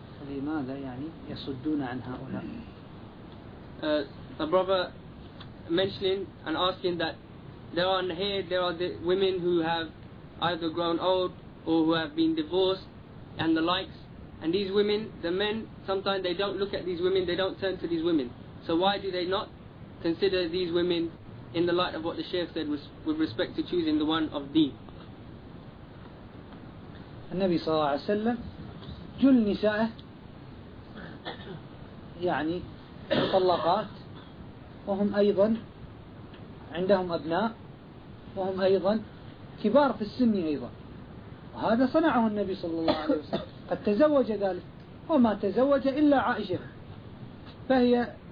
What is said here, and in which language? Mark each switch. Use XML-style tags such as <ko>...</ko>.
<ar>لماذا يعني يصدون عن هؤلاء؟</ar> <en>The brother mentioning and asking that there are here, there are the women who have either grown old or who have been divorced and the likes. And these women, the men, sometimes they don't look at these women, they don't turn to these women. So why do they not consider these women in the light of what the Shaykh said with respect to choosing the one of deen?</en> <ar>النبي صلى الله عليه وسلم جل نسائه يعني مطلقات وهم أيضا عندهم أبناء وهم أيضا كبار في السن أيضا وهذا صنعه النبي صلى الله عليه وسلم قد تزوج ذلك وما تزوج إلا عائشة فهي</ar>